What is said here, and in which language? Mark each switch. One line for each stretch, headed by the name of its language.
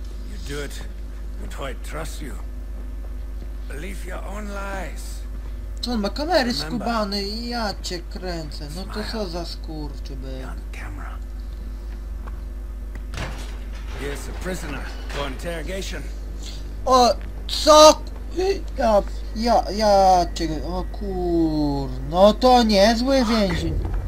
English: You do it, and Hoyt trusts you. Believe your own lies.
Polish: On ma kamery skubane i ja cię kręcę. No to co za skurczy byk.
English: On camera. Here's a prisoner for interrogation.
Polish: O, co? Ja cię, o kur... No to niezły więzień.